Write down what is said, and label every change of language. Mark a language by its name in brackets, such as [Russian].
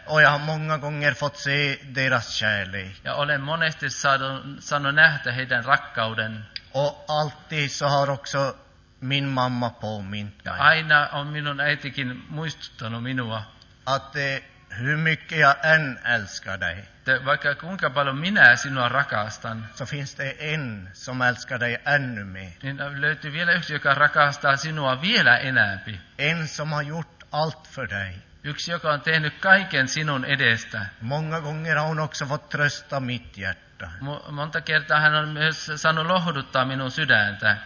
[Swedish] Och jag har många gånger fått se deras kärlek. [Finnish] Ja olen monesti saanut nähdä heidän rakkauden. [Swedish] Och alltid så har också min mamma påmint mig. [Finnish] Aina on minun äitikin muistuttanut minua. [Swedish] Att hur mycket jag än älskar dig. [Finnish] Vaikka kuinka paljon minä sinua rakastan. [Swedish] Så finns det en som älskar dig ännu mer. [Finnish] Niin löytyy vielä yksi, joka rakastaa sinua vielä enämpi. [Swedish] En som har gjort allt för dig. [Finnish] Yksi, joka on tehnyt kaiken sinun edestä. [Swedish] Många gånger har hon också fått trösta mitt hjärta. [Finnish] Monta kertaa hän on myös saanut lohduttaa minun sydäntä.